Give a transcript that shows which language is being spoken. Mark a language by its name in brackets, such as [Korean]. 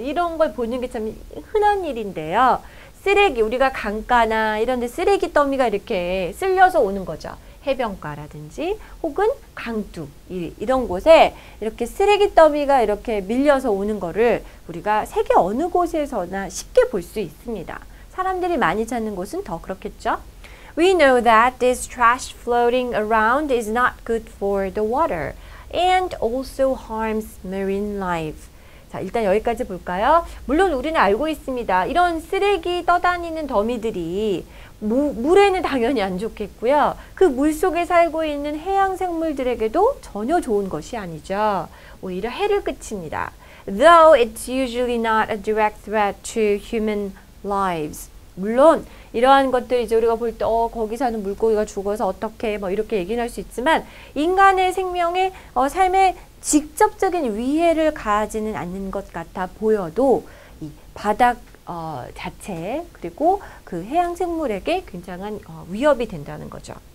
[Korean] 이런 걸 보는 게 참 흔한 일인데요. 쓰레기, 우리가 강가나 이런 데 쓰레기 더미가 이렇게 쓸려서 오는 거죠. 해변가라든지 혹은 강둑 이런 곳에 이렇게 쓰레기 더미가 이렇게 밀려서 오는 거를 우리가 세계 어느 곳에서나 쉽게 볼 수 있습니다. 사람들이 많이 찾는 곳은 더 그렇겠죠. [English] We know that this trash floating around is not good for the water and also harms marine life. [Korean] 자, 일단 여기까지 볼까요? 물론 우리는 알고 있습니다. 이런 쓰레기 떠다니는 더미들이 물에는 당연히 안 좋겠고요. 그 물 속에 살고 있는 해양 생물들에게도 전혀 좋은 것이 아니죠. 오히려 해를 끼칩니다. [English] Though it's usually not a direct threat to human lives. [Korean] 물론 이러한 것들 이제 우리가 볼 때 거기 사는 물고기가 죽어서 어떻게 뭐 이렇게 얘기는 할 수 있지만 인간의 생명에 삶에 직접적인 위해를 가하지는 않는 것 같아 보여도 이 바닥 자체 그리고 그 해양 생물에게 굉장한 위협이 된다는 거죠.